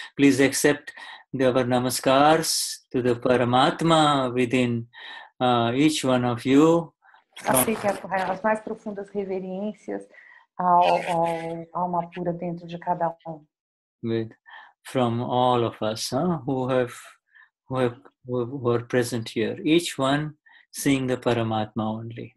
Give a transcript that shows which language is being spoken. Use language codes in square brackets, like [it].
[en] Please accept our namaskars to the Paramatma within each one of you. [pt] Aceitar as mais profundas reverências ao alma pura dentro de cada um. [en] With, from all of us who are present here, each one seeing the Paramatma only.